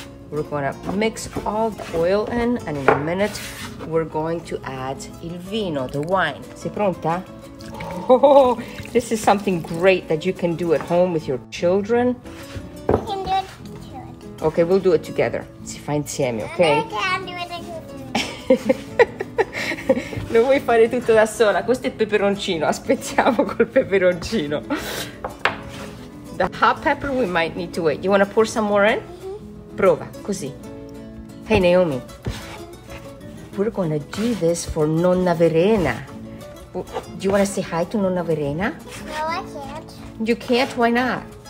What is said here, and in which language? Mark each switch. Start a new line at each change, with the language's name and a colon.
English: We're gonna mix all the oil in, and in a minute we're going to add il vino, the wine.
Italian: Sei pronta?
English: Oh, this is something great that you can do at home with your children. I can do it too. Okay, we'll do it together.
Italian: Si fa insieme, okay?
English: I can do it too.
Italian: Non vuoi fare tutto da sola? Questo è il peperoncino. Aspettiamo col peperoncino.
English: The hot pepper we might need to wait. You want to pour some more in?
Italian: Prova, così.
English: Hey, Naomi. We're going to do this for Nonna Verena. Do you want to say hi to Nonna Verena? No, I can't. You can't? Why not?